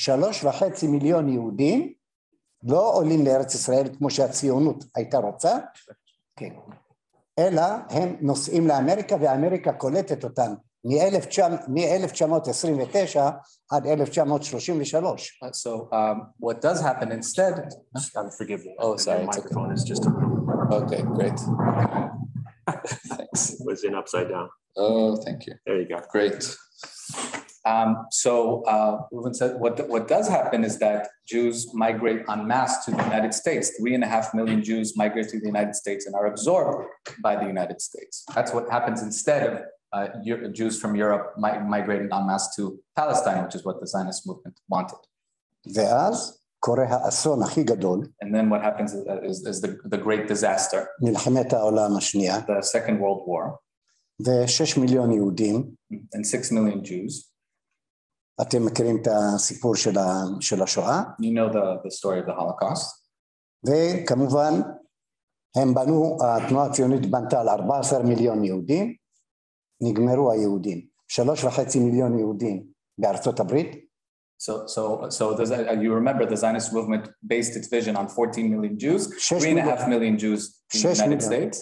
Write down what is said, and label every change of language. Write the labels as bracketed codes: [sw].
[he] 3.5 מיליון יהודים לא עולים לארץ ישראל כמו שהציונות הייתה רוצה, כן. אלא הם נוסעים לאמריקה ואמריקה קולטת אותם. מ-1929 עד 1933. [en] So what does happen instead? Unforgivable. Oh, sorry. The microphone is just on. Okay, great. Thanks. Was in upside down. Oh, thank you. There you go. Great. Reuven said, what does happen is that Jews migrate en masse to the United States. 3.5 million Jews migrate to the United States and are absorbed by the United States. That's what happens instead of Jews from Europe migrating en masse to Palestine, which is what the Zionist movement wanted. [he] ואז קורה האסון הכי גדול. [en] And then what happens is the great disaster. [he] מלחמת העולם השנייה. [en] The Second World War. [he] ושש מיליון יהודים. [en] And 6 million Jews. [he] אתם מכירים את הסיפור של השואה. [en] You know the story of the Holocaust. [he] וכמובן, הם בנו, התנועה הציונית בנתה על 14 מיליון יהודים, נגמרו היהודים. 3.5 מיליון יהודים בארצות הברית. [en] So you remember the Zionist movement based its vision on 14 million Jews, 3.5 million Jews in the United States.